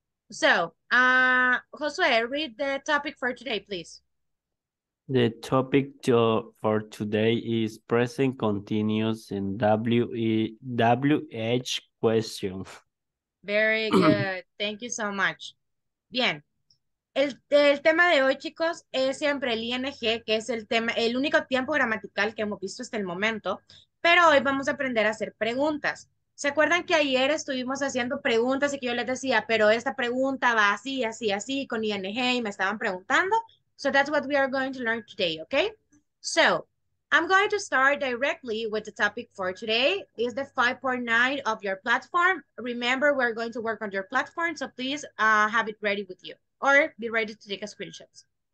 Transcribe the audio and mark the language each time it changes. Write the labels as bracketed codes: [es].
[en] So, Josue, read the topic for today, please. The topic for today is present continuous and WH question. Very good. Thank you so much. [es] Bien. El tema de hoy, chicos, es siempre el ING, que es el tema, el único tiempo gramatical que hemos visto hasta el momento. Pero hoy vamos a aprender a hacer preguntas. ¿Se acuerdan que ayer estuvimos haciendo preguntas y que yo les decía, pero esta pregunta va así, así, así, con ING, y me estaban preguntando? [en] So that's what we are going to learn today, okay? So, I'm going to start directly with the topic for today. It's the 5.9 of your platform. Remember, we're going to work on your platform, so please have it ready with you or be ready to take a screenshot.